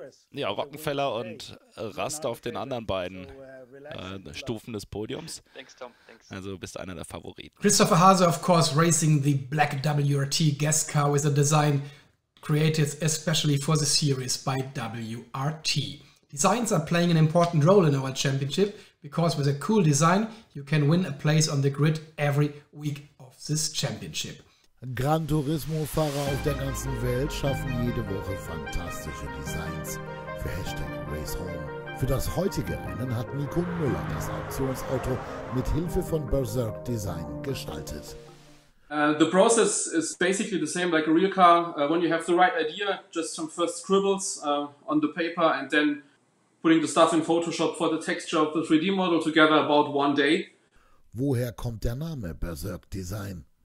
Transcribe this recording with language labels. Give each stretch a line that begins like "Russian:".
German: Ja, Rockenfeller und Rast auf den anderen beiden Stufen des Podiums. Also bist einer der Favoriten.
English: Christopher Hase, of course, racing the black WRT guest car with a design created especially for the series by WRT. Designs are playing an important role in our championship because with a cool design you can win a place on the grid every week of this championship.
German: Gran Turismo-Fahrer auf der ganzen Welt schaffen jede Woche fantastische Designs für Hashtag RaceHome. Für das heutige Rennen hat Nico Müller das Aktionsauto mit Hilfe von Berserk Design gestaltet.
English: The process is basically the same like a real car. When you have the right idea, just some first scribbles on the paper and then putting the stuff in Photoshop for the texture of the 3D model together about one day.
German: Woher kommt der Name Berserk Design?